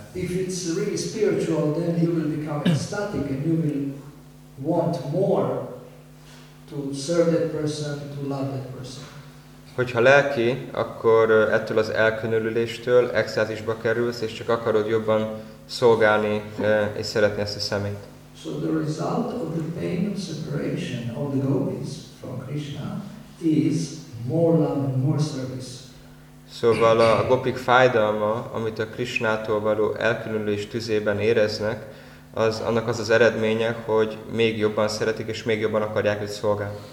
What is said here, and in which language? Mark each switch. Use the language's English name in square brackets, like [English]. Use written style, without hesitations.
[English] If it's really spiritual, then you will become ecstatic and you will want more to serve that person, to love that person. [Hungarian] Hogyha lelki, akkor ettől az elkülönüléstől extázisba kerülsz, és csak akarod jobban szolgálni és szeretni ezt a személyt. [English] So the result of the pain of separation of the gopis from Krishna is more love and more service. [Hungarian] Szóval a gopik fájdalma, amit a Krishnától való elkülönülés tüzében éreznek, az annak az az eredménye, hogy még jobban szeretik és még jobban akarják őt szolgálni.